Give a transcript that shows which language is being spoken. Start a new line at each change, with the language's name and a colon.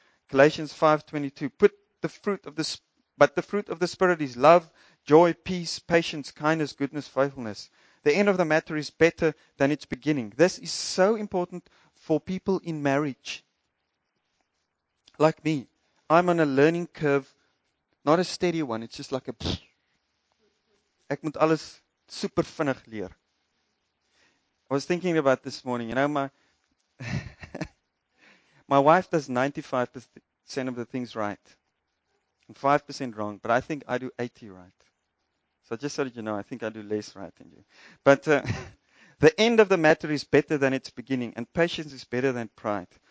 English: Galatians 5:22. But the fruit of the Spirit is love, joy, peace, patience, kindness, goodness, faithfulness. The end of the matter is better than its beginning. This is so important for people in marriage, like me. I'm on a learning curve, not a steady one. It's just like a pfft.
Afrikaans: Ek moet alles super vinnig leer.
English: I was thinking about this morning. You know, my wife does 95% of the things right and 5% wrong. But I think I do 80 right. So just so that you know, I think I do less right than you. But the end of the matter is better than its beginning, and patience is better than pride.